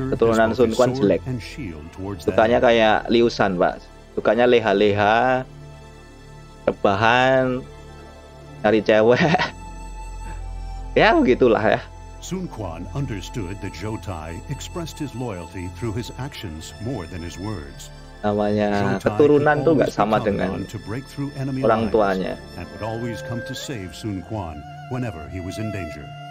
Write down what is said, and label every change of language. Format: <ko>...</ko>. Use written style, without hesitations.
<id>Keturunan Sun Quan jelek. Sukanya kayak Liu San, Pak. Sukanya leha-leha, rebahan, cari cewek. Ya begitulah ya.</id> <en>Sun Quan understood that Jotai expressed his loyalty through his actions more than his words.</en> <id>Namanya keturunan tuh nggak sama dengan orang tuanya.</id> <en>And would always come to save Sun Quan whenever he was in danger.</en>